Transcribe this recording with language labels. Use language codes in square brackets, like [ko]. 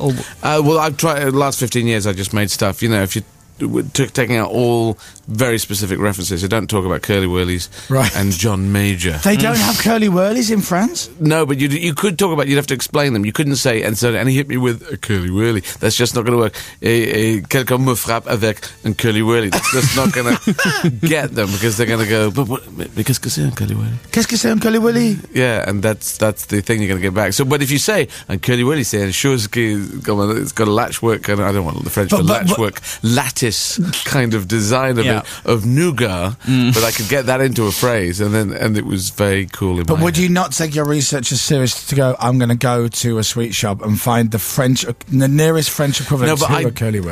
[en] Well, I've tried, the last 15 years, I just made stuff. You know, if you taking out all very specific references. They don't talk about Curly Whirlies and John Major. They don't have Curly Whirlies in France? No, but you could talk about, you'd have to explain them. You couldn't say, and he hit me with a Curly Whirly. That's just not going to work. [fr] Quelqu'un me frappe avec un Curly Whirly. [en] That's just not going to get them, because they're going to go, [fr] qu'est-ce que c'est un Curly Whirly? Qu'est-ce que c'est un Curly Whirly? [en] Yeah, and that's the thing you're going to get back. So, but if you say, un Curly Whirly, say, and it's got a latchwork, and I don't want the French for latchwork, kind of design of it, of nougat, but I could get that into a phrase, and it was very cool. But would you not take your research as serious to go, I'm going to go to a sweet shop and find the nearest French equivalent to a Curly Whirly?